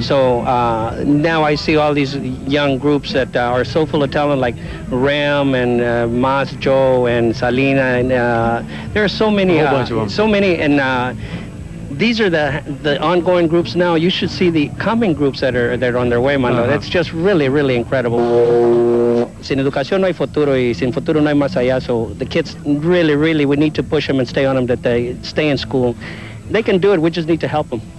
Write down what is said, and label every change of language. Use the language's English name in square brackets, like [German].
[English] So now I see all these young groups that are so full of talent, like Ram and Mas Joe and Salina, and there are so many, and these are the ongoing groups now. You should see the coming groups that are on their way, Mando. Uh-huh. That's just really, really incredible. [Spanish] Sin educación no hay futuro, y sin futuro no hay más allá. [English] So the kids, really, really, we need to push them and stay on them, that they stay in school. They can do it. We just need to help them.